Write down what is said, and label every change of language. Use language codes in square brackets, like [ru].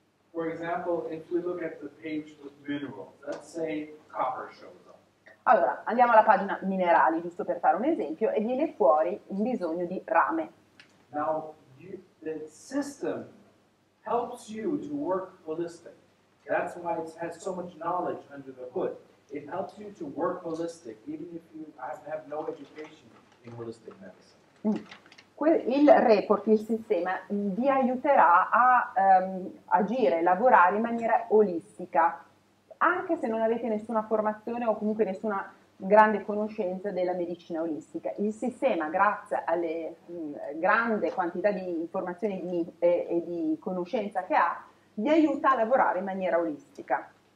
[en] For example, if we look at the page with minerals, let's say copper shows. [it] Allora, andiamo alla pagina minerali, giusto per fare un esempio, e viene fuori un bisogno di rame. [en] Now, the system helps you to work holistic. That's why it has so much knowledge under the hood. It helps you to work holistic, even if you have no education in holistic medicine. [it] Il report, il sistema, vi aiuterà a agire, lavorare in maniera olistica, anche se non avete nessuna formazione o comunque nessuna grande conoscenza della medicina olistica. Il sistema, grazie alle grande quantità di informazioni e di conoscenza che ha, vi aiuta a lavorare in maniera olistica.